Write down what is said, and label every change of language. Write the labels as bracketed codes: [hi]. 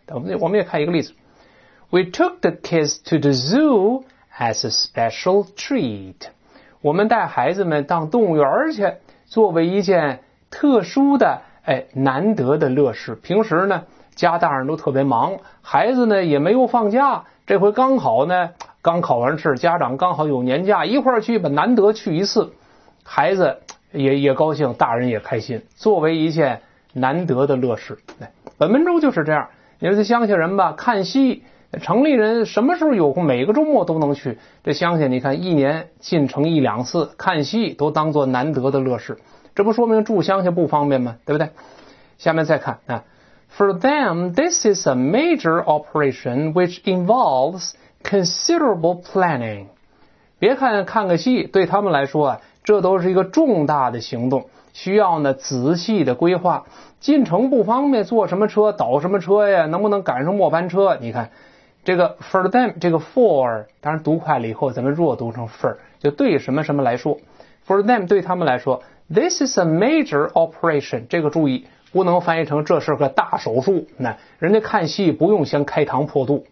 [zh] 我们也看一个例子， [en] We took the kids to the zoo as a special treat. [zh] 我们带孩子们到动物园去，作为一件特殊的、哎、难得的乐事。平时呢，家大人都特别忙，孩子呢也没有放假，这回刚好呢，刚考完试，家长刚好有年假，一块儿去吧，难得去一次。孩子也高兴，大人也开心，作为一件难得的乐事。本文中就是这样，你说这乡下人吧，看戏，城里人什么时候有空？每个周末都能去。这乡下你看，一年进城一两次看戏，都当作难得的乐事。这不说明住乡下不方便吗？对不对？下面再看啊 [en] ，For them, this is a major operation which involves considerable planning. [zh] 别看看个戏，对他们来说啊，这都是一个重大的行动，需要呢仔细的规划。进城不方便，坐什么车？倒什么车呀？能不能赶上末班车？你看。这个 [en] for them， [zh] 这个 for 当然读快了以后咱们弱读成 for， 就对什么什么来说， for them 对他们来说， [en] this is a major operation， [zh] 这个注意不能翻译成这是个大手术，那人家看戏不用先开膛破肚。